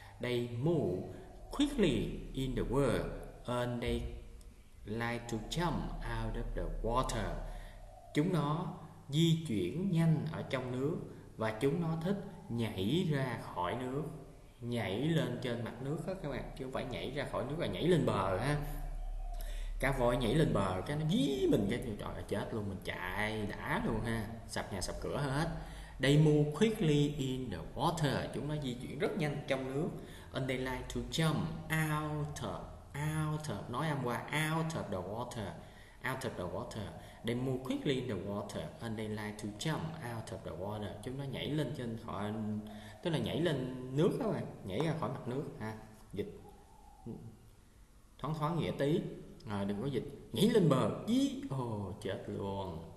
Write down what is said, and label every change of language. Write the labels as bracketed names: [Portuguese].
[English] They move quickly in the world and they like to jump out of the water. [Vietnamese] Chúng nó di chuyển nhanh ở trong nước và chúng nó thích nhảy ra khỏi nước, nhảy lên trên mặt nước đó các bạn, chứ không phải nhảy ra khỏi nước là nhảy lên bờ ha. Cá voi nhảy lên bờ cái nó dí mình cái như trời chết luôn, mình chạy đã luôn ha, sập nhà sập cửa hết. [English] They move quickly in the water, [Vietnamese] chúng nó di chuyển rất nhanh trong nước. [English] And they like to jump out of, [Vietnamese] nói âm qua [English] out of the water, out of the water. They move quickly in the water [Vietnamese] and they like to jump out of the water, chúng nó nhảy lên trên khỏi, tức là nhảy lên nước các bạn, nhảy ra khỏi mặt nước ha, dịch thoáng thoáng nghĩa tí. À, đừng có dịch, nhảy lên bờ, dí, ồ, chết luôn.